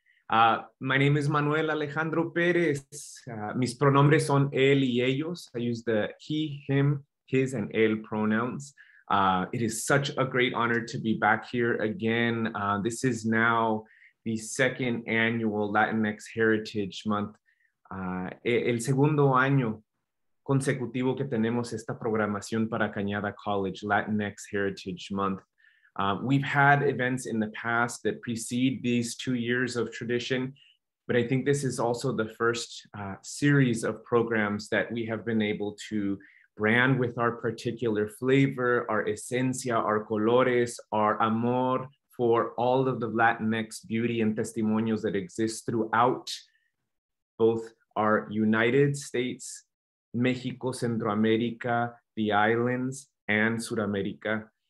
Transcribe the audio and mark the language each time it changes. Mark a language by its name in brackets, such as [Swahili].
[English] My name is Manuel Alejandro Perez. [Spanish] Mis pronombres son él y ellos. [English] I use the he, him, his, and él pronouns. It is such a great honor to be back here again. This is now the second annual Latinx Heritage Month. [Spanish] El segundo año consecutivo que tenemos esta programación para Cañada College, Latinx Heritage Month. [English] We've had events in the past that precede these 2 years of tradition, but I think this is also the first series of programs that we have been able to brand with our particular flavor, our esencia, our colores, our amor for all of the Latinx beauty and testimonios that exist throughout both our United States, Mexico, Centroamérica, the islands, and Sudamérica.